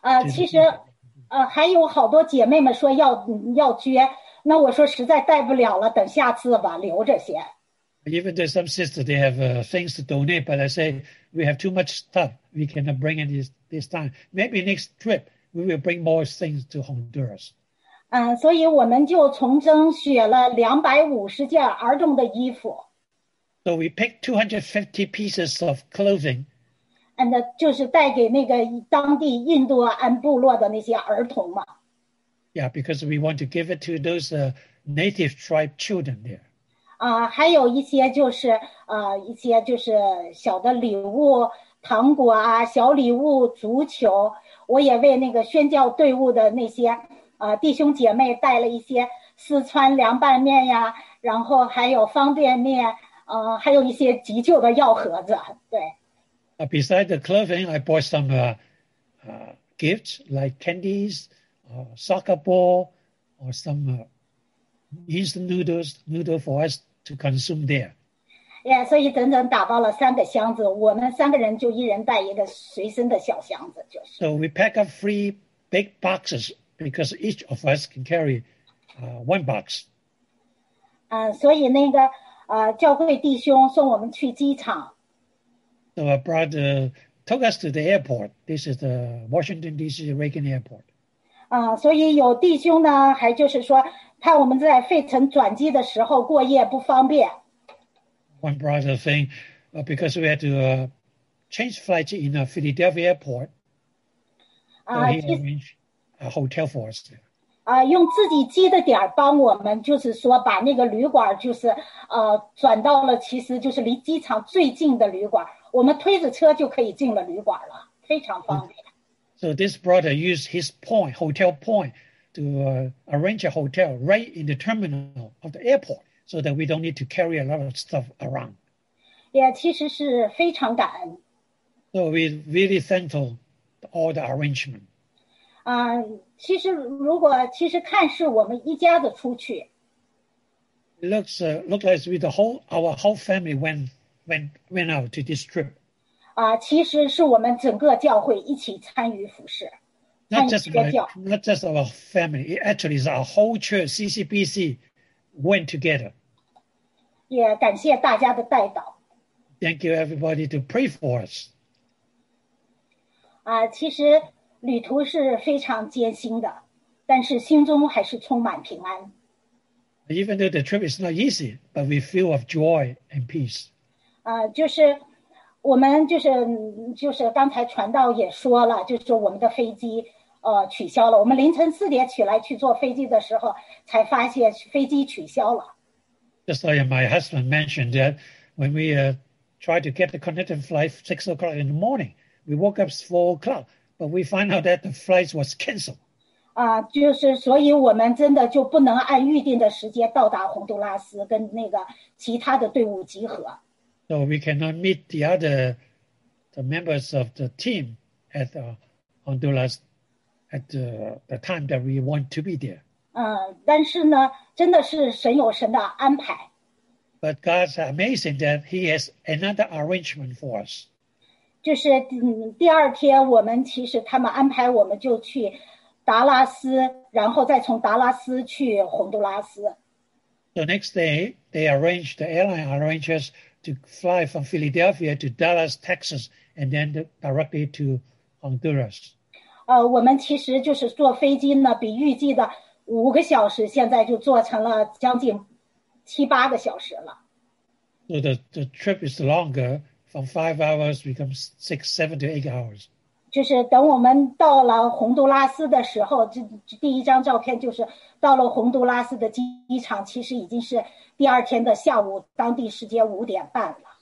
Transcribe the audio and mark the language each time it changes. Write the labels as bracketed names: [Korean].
[Chinese] 其实还有好多姐妹们说要捐，那我说实在带不了了，等下次吧，留着先。 [English] Even though some sisters, they have things to donate, but I say, we have too much stuff. We cannot bring in this time. Maybe next trip, we will bring more things to Honduras. [Chinese] 所以我们就从中选了250件儿童的衣服。 [English] So we picked 250 pieces of clothing. And [Chinese] 就是带给那个当地印度安部落的那些儿童嘛。 [English] Yeah, because we want to give it to those native tribe children there. [Chinese] 还有一些就是一些就是小的礼物，糖果啊，小礼物，足球。我也为那个宣教队伍的那些弟兄姐妹带了一些四川凉拌面呀，然后还有方便面，还有一些急救的药盒子。对。 [English] Beside the clothing, I bought some gifts like candies, soccer ball, or some instant noodle for us to consume there. [Chinese] Yeah, 所以整整打包了三个箱子，我们三个人就一人带一个随身的小箱子，就是。 [English] So we pack up 3 big boxes because each of us can carry one box. [Chinese] 所以那个教会弟兄送我们去机场。 [English] So our brother took us to the airport. This is the Washington D.C. Reagan Airport. [Chinese] 所以有弟兄呢，还就是说怕我们在费城转机的时候过夜不方便。 [English] One brother thing, because we had to change flights in a Philadelphia airport, he arranged a hotel for us. [Chinese] 用自己积的点帮我们，就是说把那个旅馆就是转到了其实就是离机场最近的旅馆，我们推着车就可以进了旅馆了，非常方便。 [English] So this brother used his point, hotel point, to arrange a hotel right in the terminal of the airport so that we don't need to carry a lot of stuff around. [Chinese] Yeah, 其实是非常感恩。 [English] So we're really thankful for all the arrangement. [Chinese] 其实看是我们一家的出去。 [English] It looks look as we our whole family went out to this trip. [Chinese] 其实是我们整个教会一起参与服事。 [English] Not just our family, it actually is our whole church, CCBC, went together. [Chinese] 也感谢大家的带导。 [English] Thank you everybody to pray for us. [Chinese] 其实旅途是非常艰辛的，但是心中还是充满平安。 [English] Even though the trip is not easy, but we feel of joy and peace. [Chinese] 就是我们就是刚才传道也说了，就是我们的飞机取消了。我们凌晨四点起来去坐飞机的时候，才发现飞机取消了。 [English] Just like my husband mentioned that when we tried to get the connecting flight 6 o'clock in the morning, we woke up 4 o'clock, but we find out that the flight was canceled. [Chinese] 就是所以我们真的就不能按预定的时间到达洪都拉斯跟那个其他的队伍集合。 [English] So we cannot meet the members of the team at Honduras at the time that we want to be there. [Chinese] 但是呢，真的是神有神的安排。 [English] But God's amazing that He has another arrangement for us. [Chinese] 就是第二天，我们其实他们安排我们就去达拉斯，然后再从达拉斯去洪都拉斯。 [English] The next day, they arranged the airline arrangers. To fly from Philadelphia to Dallas, Texas, and then directly to Honduras. [Chinese] 我们其实就是坐飞机呢，比预计的5个小时，现在就坐成了将近7-8个小时了。 [English] So the trip is longer, from 5 hours becomes 6, 7 to 8 hours. [Chinese] 就是等我们到了洪都拉斯的时候，这第一张照片就是到了洪都拉斯的机场，其实已经是。第二天的下午，当地时间5:30了。